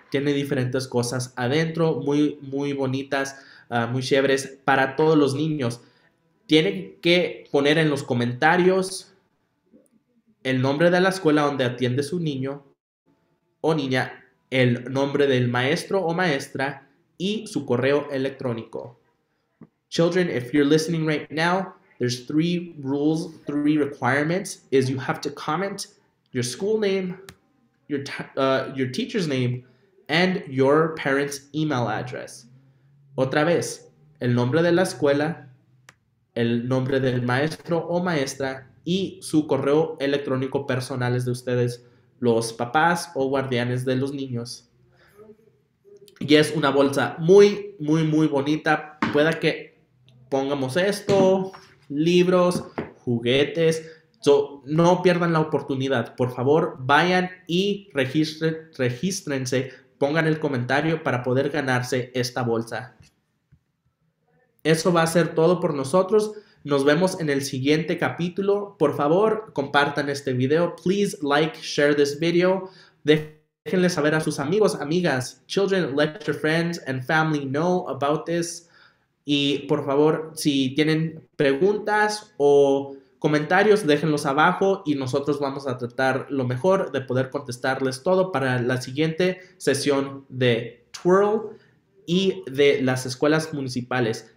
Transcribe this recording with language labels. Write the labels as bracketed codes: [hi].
[es] Tiene diferentes cosas adentro, muy, muy bonitas, muy chéveres para todos los niños. Tienen que poner en los comentarios el nombre de la escuela donde atiende su niño o niña, el nombre del maestro o maestra y su correo electrónico. [en] Children, if you're listening right now, there's three rules, three requirements, is you have to comment your school name, your teacher's name, and your parents' email address. [es] Otra vez, el nombre de la escuela, el nombre del maestro o maestra, y su correo electrónico personal es de ustedes, los papás o guardianes de los niños. Y es una bolsa muy, muy, muy bonita. Pueda que pongamos esto, libros, juguetes. So, no pierdan la oportunidad. Por favor, vayan y regístrense. Pongan el comentario para poder ganarse esta bolsa. Eso va a ser todo por nosotros. Nos vemos en el siguiente capítulo. Por favor, compartan este video. [en] Please like, share this video. [es] Déjenle saber a sus amigos, amigas. [en] Children, let your friends and family know about this. [es] Y por favor, si tienen preguntas o comentarios, déjenlos abajo y nosotros vamos a tratar lo mejor de poder contestarles todo para la siguiente sesión de Twirl y de las escuelas municipales.